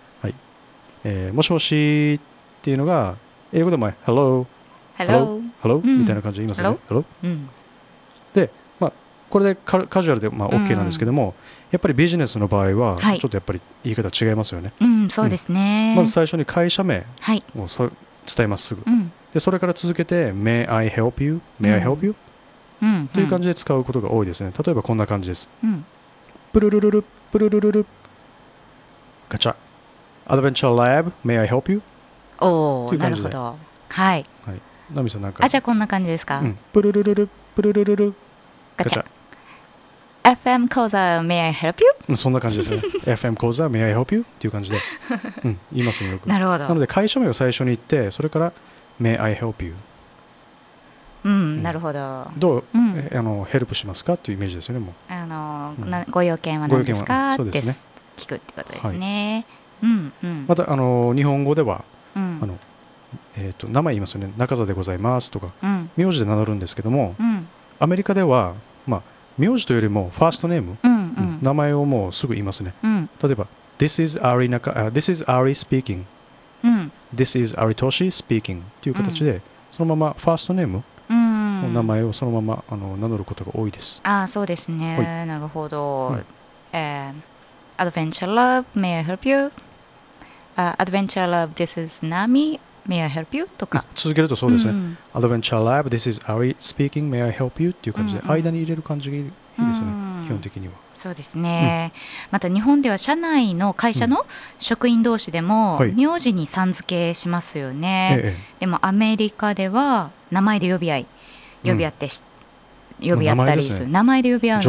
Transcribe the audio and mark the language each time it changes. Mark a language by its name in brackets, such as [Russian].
[Japanese] はい、もしもしっていうのが英語でも Hello [English] Hello [Japanese] Hello、みたいな感じで言いますよね。Hello、で、まあ、これでカジュアルで、まあ、OK なんですけども、やっぱりビジネスの場合はちょっとやっぱり言い方違いますよね。はい、そうですね、まず最初に会社名を、はい、伝えます、すぐ、でそれから続けて [English] May I help you? May I help you?、 [Japanese] という感じで使うことが多いですね。例えばこんな感じです、プルルルルプルルルルガチャ [English] Adventure Lab May I help you? [Japanese] おお、なるほど、はい、はい、ナミさんなんか、あ、じゃあこんな感じですか、プルルルルプルルルルガチャ [English] FM 講座 May I help you?、 [Japanese] うん、そんな感じですね。 [English] FM 講座 May I help you? [Japanese] っていう感じで、うん、言いますね、よく。なるほど。なので会社名を最初に言って、それから [English] May I help you?、 [Japanese] うん、うん、なるほど。どう、うん、ヘルプしますかっていうイメージですよね、もう。うん、ご用件は何ですか、そうですね、って聞くってことですね。はい、うんうん、また、日本語では、うん、名前言いますよね、中澤でございますとか、うん、名字で名乗るんですけども、うん、アメリカでは、まあ、名字というよりもファーストネーム、うんうんうん、名前をもうすぐ言いますね、うん、例えば [English] This is Ari Naka-、This is Ari speaking、 [Japanese] うん、 [English] This is Ari Toshi speaking [Japanese] という形で、うん、そのままファーストネームの名前をそのまま名乗ることが多いです。あ、そうですね、はい、なるほど、はい、 [English] Adventure Love May I help you、Adventure Love This is NamiMay I help you? [Japanese] とか続けるとそうですね、うん、 [English] Adventure Lab This is Ari speaking May I help you? [Japanese] っていう感じで間に入れる感じがいいですね、うんうん、基本的にはそうですね、うん、また日本では社内の会社の職員同士でも名字にさん付けしますよね、うん、はい、でもアメリカでは名前で呼び合い呼び合ってし、うん、呼び合ったりする、ね、名前で呼び合うので